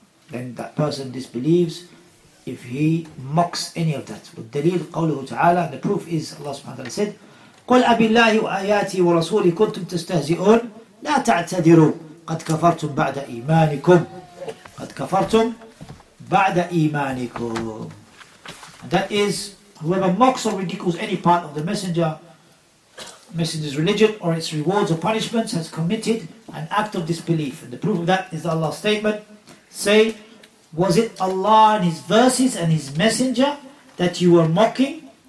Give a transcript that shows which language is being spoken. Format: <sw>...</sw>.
<en>Then that person disbelieves if he mocks any of that.</en> <ar>With دليل قوله تعالى,</ar> <en>the proof is Allah subhanahu wa ta'ala said,</en> <ar>قل أبالله وآياته ورسوله كنتم تستهزئون لا تعتذروا قد كفرتم بعد إيمانكم. قد كفرتم بعد إيمانكم.</ar> <en>And that is whoever mocks or ridicules any part of the messenger's religion or its rewards or punishments has committed an act of disbelief. And the proof of that is Allah's statement. Say, was it Allah and His verses and His messenger that you were mocking?</en>